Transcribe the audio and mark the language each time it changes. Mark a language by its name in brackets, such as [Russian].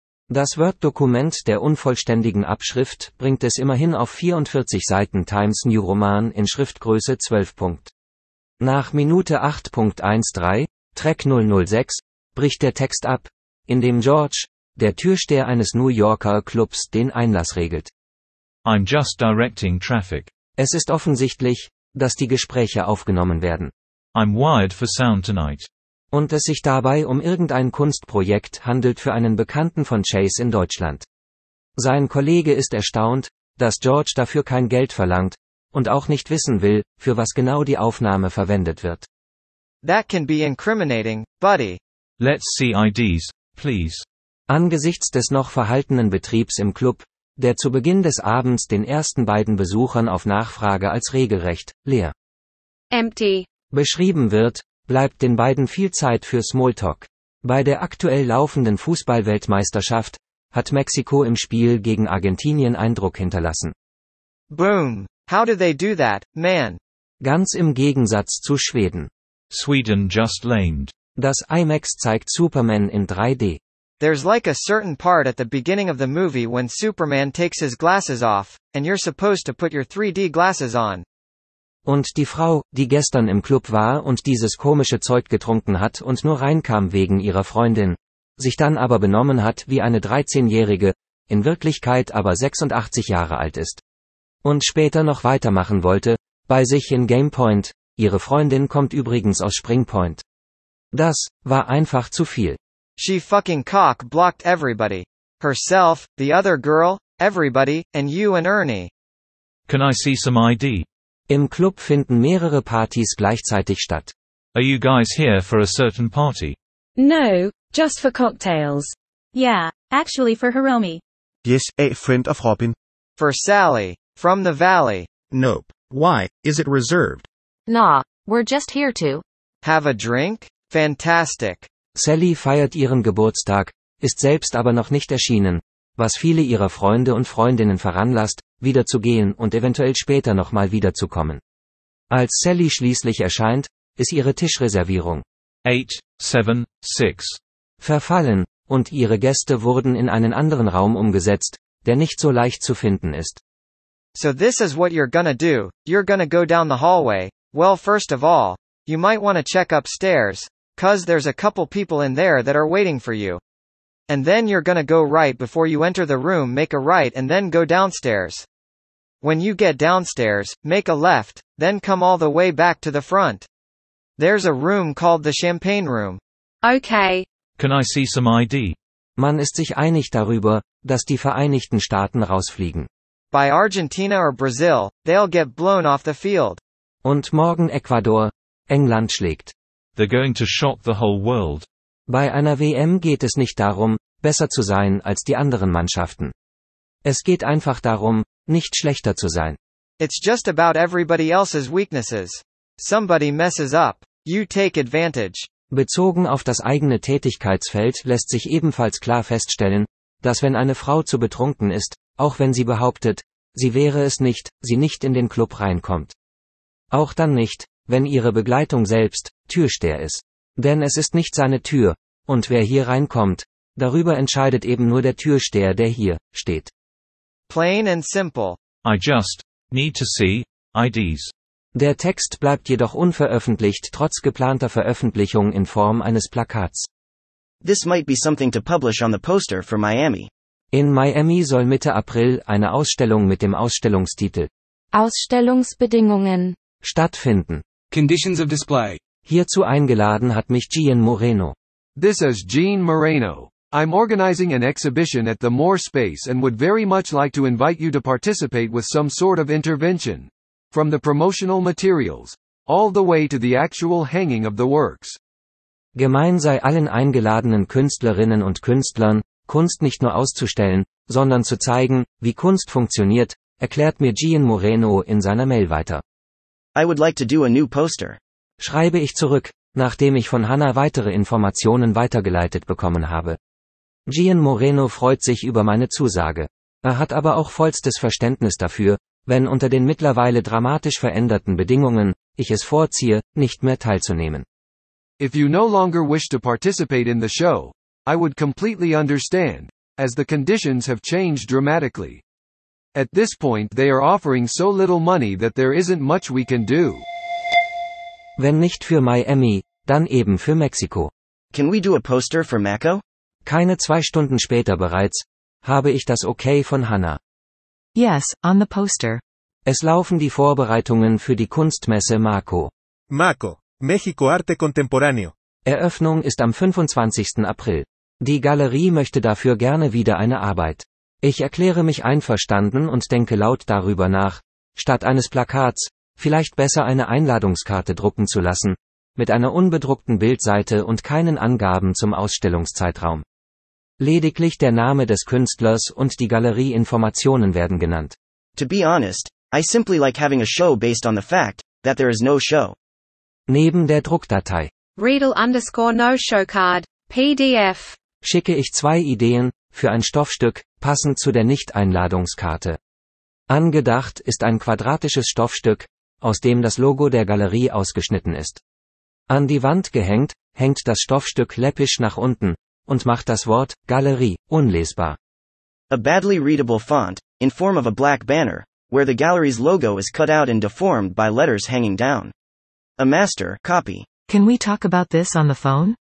[German] Das Word-Dokument der unvollständigen Abschrift bringt es immerhin auf 44 Seiten Times New Roman in Schriftgröße 12 Punkt. Nach Minute 8.13, Track 006, bricht der Text ab, in dem George, der Türsteher eines New Yorker Clubs, den Einlass regelt. [English] I'm just directing traffic. [German] Es ist offensichtlich, dass die Gespräche aufgenommen werden. [English] I'm wired for sound tonight. [German] Und es sich dabei um irgendein Kunstprojekt handelt für einen Bekannten von Chase in Deutschland. Sein Kollege ist erstaunt, dass George dafür kein Geld verlangt und auch nicht wissen will, für was genau die Aufnahme verwendet wird. [English] That can be incriminating, buddy. Let's see IDs, please. [German] Angesichts des noch verhaltenen Betriebs im Club, der zu Beginn des Abends den ersten beiden Besuchern auf Nachfrage als regelrecht leer [English] empty [German] beschrieben wird, bleibt den beiden viel Zeit für Smalltalk. Bei der aktuell laufenden Fußballweltmeisterschaft hat Mexiko im Spiel gegen Argentinien Eindruck hinterlassen. [English] Boom! How do they do that, man? [German] Ganz im Gegensatz zu Schweden. [English] Sweden just lamed. [German] Das IMAX zeigt Superman in 3D. [English] There's like a certain part at the beginning of the movie when Superman takes his glasses off, and you're supposed to put your 3D glasses on. [German] Und die Frau, die gestern im Club war und dieses komische Zeug getrunken hat und nur reinkam wegen ihrer Freundin, sich dann aber benommen hat wie eine 13-Jährige, in Wirklichkeit aber 86 Jahre alt ist. Und später noch weitermachen wollte, bei sich in Gamepoint, ihre Freundin kommt übrigens aus Springpoint. Das war einfach zu viel. [English] She fucking cock blocked everybody. Herself, the other girl, everybody, and you and Ernie. Can I see some ID? [German] Im Club finden mehrere Partys gleichzeitig statt. [English] Are you guys here for a certain party? No, just for cocktails. Yeah, actually for Hiromi. Yes, a friend of Robin. For Sally, from the valley. Nope. Why, is it reserved? Nah, we're just here to have a drink? Fantastic. [German] Sally feiert ihren Geburtstag, ist selbst aber noch nicht erschienen, was viele ihrer Freunde und Freundinnen veranlasst, wieder zu gehen und eventuell später nochmal wiederzukommen. Als Sally schließlich erscheint, ist ihre Tischreservierung 876 verfallen und ihre Gäste wurden in einen anderen Raum umgesetzt, der nicht so leicht zu finden ist. [English] So this is what you're gonna do. You're gonna go down the hallway. Well, first of all, you might wanna check upstairs, 'cause there's a couple people in there that are waiting for you. And then you're gonna go right before you enter the room, make a right and then go downstairs. When you get downstairs, make a left, then come all the way back to the front. There's a room called the champagne room. Okay. Can I see some ID? [German] Man ist sich einig darüber, dass die Vereinigten Staaten rausfliegen. [English] By Argentina or Brazil, they'll get blown off the field. [German] Und morgen Ecuador, England schlägt. [English] They're going to shock the whole world. [German] Bei einer WM geht es nicht darum, besser zu sein als die anderen Mannschaften. Es geht einfach darum, nicht schlechter zu sein. [English] It's just about everybody else's weaknesses. Somebody messes up. You take advantage. [German] Bezogen auf das eigene Tätigkeitsfeld lässt sich ebenfalls klar feststellen, dass wenn eine Frau zu betrunken ist, auch wenn sie behauptet, sie wäre es nicht, sie nicht in den Club reinkommt. Auch dann nicht, wenn ihre Begleitung selbst Türsteher ist. Denn es ist nicht seine Tür, und wer hier reinkommt, darüber entscheidet eben nur der Türsteher, der hier steht. [English] Plain and simple. I just need to see IDs. [German] Der Text bleibt jedoch unveröffentlicht trotz geplanter Veröffentlichung in Form eines Plakats. [English] This might be something to publish on the poster for Miami. [German] In Miami soll Mitte April eine Ausstellung mit dem Ausstellungstitel Ausstellungsbedingungen stattfinden. [English] Conditions of display. [German] Hierzu eingeladen hat mich Gene Moreno. [English] This is Gene Moreno. I'm organizing an exhibition at the Moore Space and would very much like to invite you to participate with some sort of intervention. From the promotional materials, all the way to the actual hanging of the works. [German] Gemein sei allen eingeladenen Künstlerinnen und Künstlern, Kunst nicht nur auszustellen, sondern zu zeigen, wie Kunst funktioniert, erklärt mir Gene Moreno in seiner Mail weiter. [English] I would like to do a new poster. [German] Schreibe ich zurück, nachdem ich von Hannah weitere Informationen weitergeleitet bekommen habe. Gian Moreno freut sich über meine Zusage. Er hat aber auch vollstes Verständnis dafür, wenn unter den mittlerweile dramatisch veränderten Bedingungen ich es vorziehe, nicht mehr teilzunehmen. [English] If you no longer wish to participate in the show, I would completely understand, as the conditions have changed dramatically. At this point they are offering so little money that there isn't much we can do. [German] Wenn nicht für Miami, dann eben für Mexiko. [English] Can we do a poster for Mako? [German] Keine zwei Stunden später bereits, habe ich das Okay von Hannah. [English] Yes, on the poster. [German] Es laufen die Vorbereitungen für die Kunstmesse Mako. [Spanish] Mako, México Arte Contemporáneo. [German] Eröffnung ist am 25. April. Die Galerie möchte dafür gerne wieder eine Arbeit. Ich erkläre mich einverstanden und denke laut darüber nach, statt eines Plakats, vielleicht besser eine Einladungskarte drucken zu lassen, mit einer unbedruckten Bildseite und keinen Angaben zum Ausstellungszeitraum. Lediglich der Name des Künstlers und die Galerieinformationen werden genannt. [English] To be honest, I simply like having a show based on the fact that there is no show. [German] Neben der Druckdatei. [English] Readle underscore no show card, PDF. [German] Schicke ich zwei Ideen für ein Stoffstück, passend zu der Nicht-Einladungskarte. Angedacht ist ein quadratisches Stoffstück, aus dem das Logo der Galerie ausgeschnitten ist. An die Wand gehängt, hängt das Stoffstück läppisch nach unten und macht das Wort Galerie unlesbar. [English] A badly readable font, in form of a black banner, where the gallery's logo is cut out and deformed by letters hanging down. A master copy. Can we talk about this on the phone?